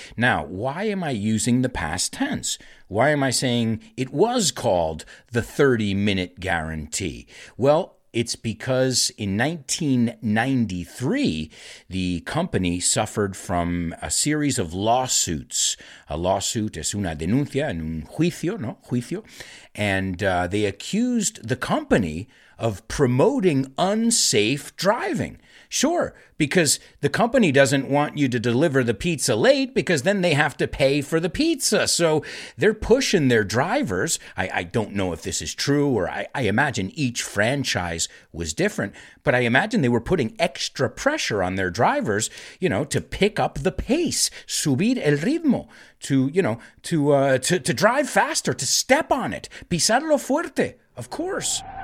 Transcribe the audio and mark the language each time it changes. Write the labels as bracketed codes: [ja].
[en] Now, why am I using the past tense? Why am I saying it was called the 30 minute guarantee? Well, it's because in 1993, the company suffered from a series of lawsuits. [es] A lawsuit es una denuncia, en un juicio, ¿no? Juicio. [en] And they accused the company of promoting unsafe driving. Sure, because the company doesn't want you to deliver the pizza late because then they have to pay for the pizza. So they're pushing their drivers. I don't know if this is true, or I imagine each franchise was different, but I imagine they were putting extra pressure on their drivers, you know, to pick up the pace, [es] subir el ritmo, [en] to drive faster, to step on it, [es] pisarlo fuerte, [en] of course.